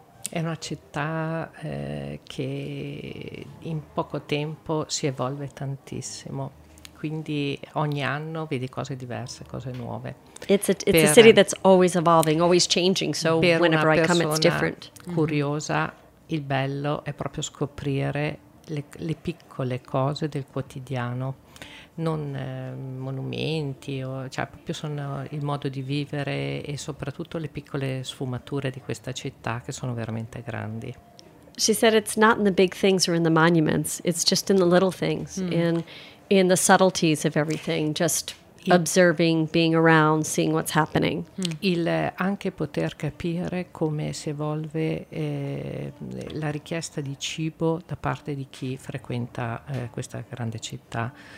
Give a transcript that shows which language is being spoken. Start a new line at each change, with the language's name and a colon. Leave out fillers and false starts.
Italian: È una città che in poco tempo si evolve tantissimo, quindi ogni anno vedi cose diverse, cose nuove.
English: It's a city that's always evolving, always changing, so whenever I come it's different.
Italian: Curiosa, il bello è proprio scoprire le piccole cose del quotidiano, non monumenti, o, cioè proprio sono il modo di vivere e soprattutto le piccole sfumature di questa città che sono veramente grandi.
English: She said it's not in the big things or in the monuments, it's just in the little things, in the subtleties of everything, just observing, being around, seeing what's happening.
Italian: Il anche poter capire come si evolve la richiesta di cibo da parte di chi frequenta questa grande città.